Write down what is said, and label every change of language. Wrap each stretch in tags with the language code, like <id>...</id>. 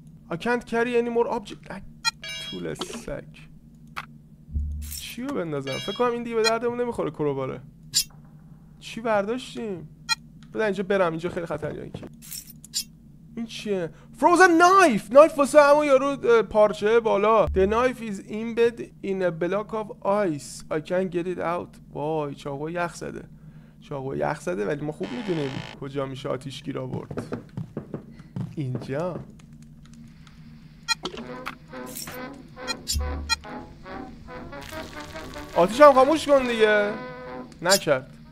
<en>I can't carry any more object.</en> <fa>طول سگ. چی رو بندازم؟ فکر کنم این دیگه به دردمون نمیخوره کروباره. چی برداشتیم؟ بذار اینجا برم، اینجا خیلی خطرناکه. این چیه؟</fa> <en>Frozen knife!</en> <fa>Knife واسه همون یارو پارچه بالا.</fa> <en>The knife is embedded in a block of ice. I can't get it out.</en> <fa>وای چاقو یخ زده. چاقو یخ زده ولی ما خوب میدونیم کجا میشه آتیش گیر آورد. اینجا. آتیش هم خاموش کن دیگه. نکرد.</fa>